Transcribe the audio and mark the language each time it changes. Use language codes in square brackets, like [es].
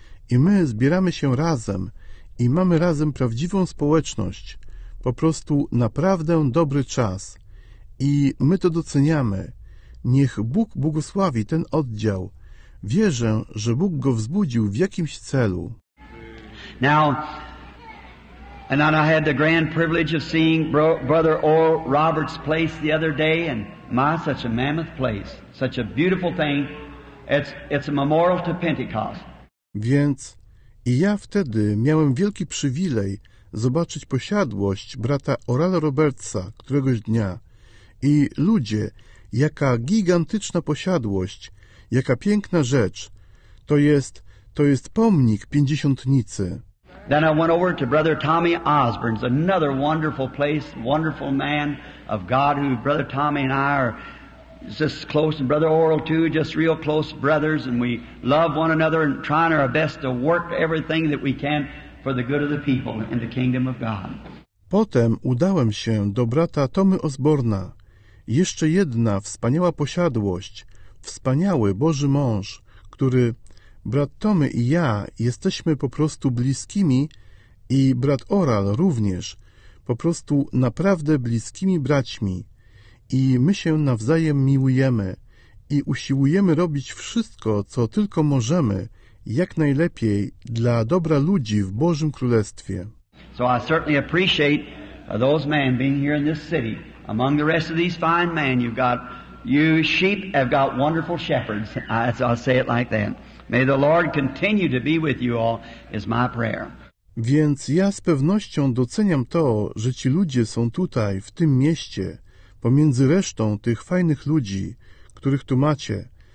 [pl] I my zbieramy się razem i mamy razem prawdziwą społeczność, po prostu naprawdę dobry czas. I my to doceniamy. Niech Bóg błogosławi ten oddział. Wierzę, że Bóg go wzbudził w jakimś celu. [en] Now, and then I had the grand privilege of seeing Brother Oral Roberts' place the other day, and my, such a mammoth place, such a beautiful thing. It's a memorial to Pentecost. [pl] Więc i ja wtedy miałem wielki przywilej zobaczyć posiadłość brata Orala Robertsa któregoś dnia. I ludzie, jaka gigantyczna posiadłość, jaka piękna rzecz. To jest pomnik pięćdziesiątnicy. [en] Then I went over to Brother Tommy Osborne's, another wonderful place, wonderful man of God, who Brother Tommy and I are just close, and Brother Oral too, just real close brothers, and we love one another and trying our best to work everything that we can for the good of the people and the kingdom of God. [pl] Potem udałem się do brata Tommy Osborna. Jeszcze jedna wspaniała posiadłość, wspaniały Boży mąż, który... Brat Tommy i ja jesteśmy po prostu bliskimi i brat Oral również, po prostu naprawdę bliskimi braćmi. I my się nawzajem miłujemy i usiłujemy robić wszystko, co tylko możemy, jak najlepiej dla dobra ludzi w Bożym Królestwie. [en] So I certainly appreciate those men being here in this city. Among the rest of these fine men, you sheep have got wonderful shepherds, as I say it like that. May the Lord continue to be with you all, is my prayer. [pl] Więc ja z pewnością doceniam to, że ci ludzie są tutaj, w tym mieście, pomiędzy resztą tych fajnych ludzi, których tu macie.